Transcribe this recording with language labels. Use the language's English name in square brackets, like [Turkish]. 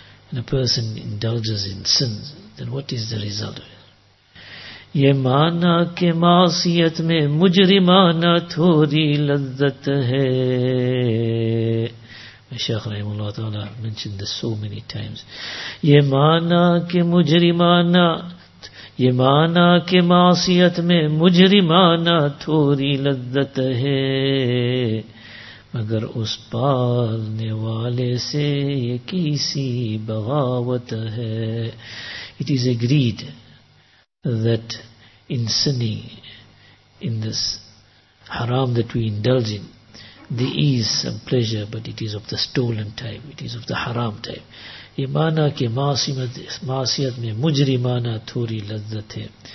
[English] And a person indulges in sins, then what is the result of it? [Urdu] Ye mana ke maasiyat mein mujrimana thori lazzat hai. [English] Shaykh Rahimullah Ta'ala mentioned this so many times. [Urdu] Ye mana ke mujrimana, یہ مانا کہ معصیت میں مجرمانہ تھوڑی لذت ہے مگر اس پالنے والے سے یہ کیسی بغاوت ہے. [English] It is agreed that in sinning, in this haram that we indulge in, there is some pleasure, but it is of the stolen type, it is of the haram type. [Urdu] یہ مانا کہ معصیت میں مجرمانہ تھوڑی لذت ہے.